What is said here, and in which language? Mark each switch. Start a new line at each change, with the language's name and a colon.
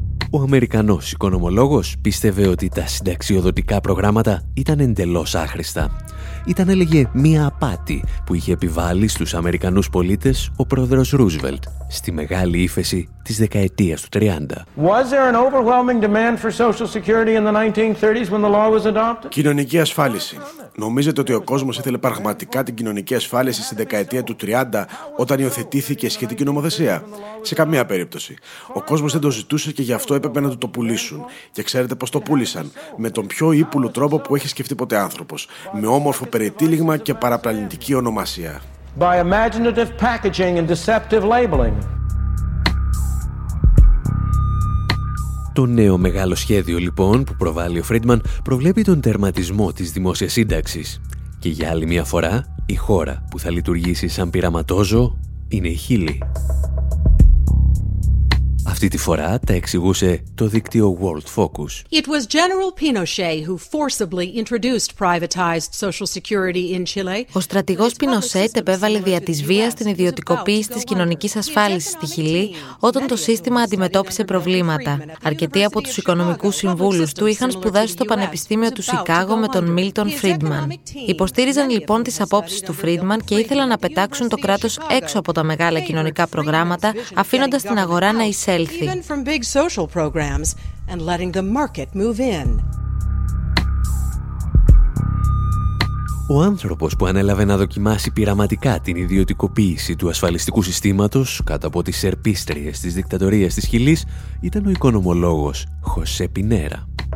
Greek: Ο Αμερικανός οικονομολόγος πίστευε ότι τα συνταξιοδοτικά προγράμματα ήταν εντελώς άχρηστα. Ήταν, έλεγε, μία απάτη που είχε επιβάλει στους Αμερικανούς πολίτες ο πρόεδρος Ρούσβελτ στη μεγάλη ύφεση της δεκαετίας του 30.
English: Was there an overwhelming demand for social security in the 1930s when the law was adopted?
Greek: Κοινωνική ασφάλιση. Νομίζετε ότι ο κόσμος ήθελε πραγματικά την κοινωνική ασφάλιση στη δεκαετία του 30 όταν υιοθετήθηκε η σχετική νομοθεσία? Σε καμία περίπτωση. Ο κόσμος δεν το ζητούσε και γι' αυτό έπρεπε να το πουλήσουν. Και ξέρετε πώς το πούλησαν? Με τον πιο ύπουλο τρόπο που έχει σκεφτεί ποτέ άνθρωπος. Με όμορφο περιτύλιγμα και παραπλανητική ονομασία.
English: By imaginative packaging and deceptive labeling.
Greek: Το νέο μεγάλο σχέδιο, λοιπόν, που προβάλλει ο Φρίντμαν, προβλέπει τον τερματισμό της δημόσιας σύνταξης. Και για άλλη μια φορά, η χώρα που θα λειτουργήσει σαν πειραματόζωο είναι η Χίλη. Αυτή τη φορά τα εξηγούσε το δίκτυο World Focus.
English: It was General Pinochet who forcibly introduced privatized social security in Chile.
Greek: Ο στρατηγός Πινοσέτ επέβαλε δια της βίας την ιδιωτικοποίηση της κοινωνικής ασφάλισης στη Χιλή όταν το σύστημα αντιμετώπισε προβλήματα. Αρκετοί από τους οικονομικούς συμβούλους του είχαν σπουδάσει στο Πανεπιστήμιο του Σικάγο με τον Μίλτον Φρίντμαν. Υποστήριζαν λοιπόν τις απόψεις του Φρίντμαν και ήθελαν να πετάξουν το κράτος έξω από τα μεγάλα κοινωνικά προγράμματα, αφήνοντας την αγορά να εισέλθει.
English: Even from big social programs and letting the market move in.
Greek: Ο άνθρωπος που ανέλαβε να δοκιμάσει πειραματικά την ιδιωτικοποίηση του ασφαλιστικού συστήματος κάτω από τις ερπίστριες της δικτατορίας της Χιλής ήταν ο οικονομολόγος Χωσέ Πινέρα.